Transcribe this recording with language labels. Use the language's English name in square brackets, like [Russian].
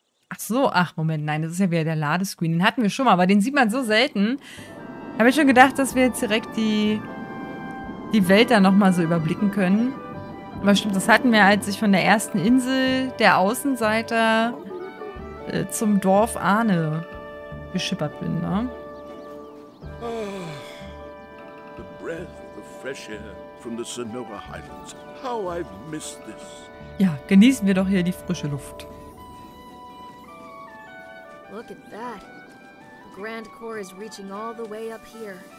[German] Ach so, ach Moment, nein, das ist ja wieder der Ladescreen. Den hatten wir schon mal, aber den sieht man so selten. Habe ich schon gedacht, dass wir jetzt direkt die Welt da nochmal so überblicken können. Aber stimmt, das hatten wir, als ich von der ersten Insel der Außenseiter zum Dorf Arne geschippert bin, ne? [English] Oh, the breath of the fresh air from the Sonora Highlands. How I've missed this. [German] Ja, genießen wir doch hier die frische Luft. [English] Look at that. Grand Core is reaching all the way up here.